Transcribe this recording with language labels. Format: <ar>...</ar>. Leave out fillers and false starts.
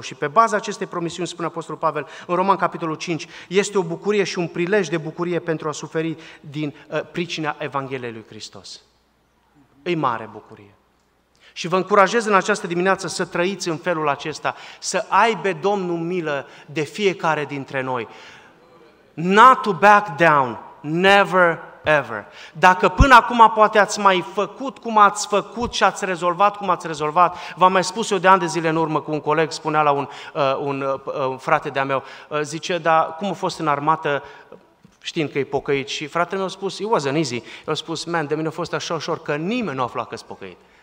<ro>Și pe baza acestei promisiuni, spune Apostolul Pavel în Roman capitolul 5, este o bucurie și un prilej de bucurie pentru a suferi din pricina Evangheliei lui Hristos. E mare bucurie. Și vă încurajez în această dimineață să trăiți în felul acesta, să aibă Domnul milă de fiecare dintre noi.</ro> <en>Not to back down, never ever.</en> <ro>Dacă până acum poate ați mai făcut cum ați făcut și ați rezolvat cum ați rezolvat, v-am mai spus eu de ani de zile în urmă cu un coleg, spunea la un frate de-a meu, zice, dar cum a fost în armată? Știind că e pocăit, și fratele meu a spus,</ro> <en>it wasn't easy,</en> <ro>i-a spus, man, de mine a fost așa ușor, că nimeni nu a aflat că-s pocăit.</ro>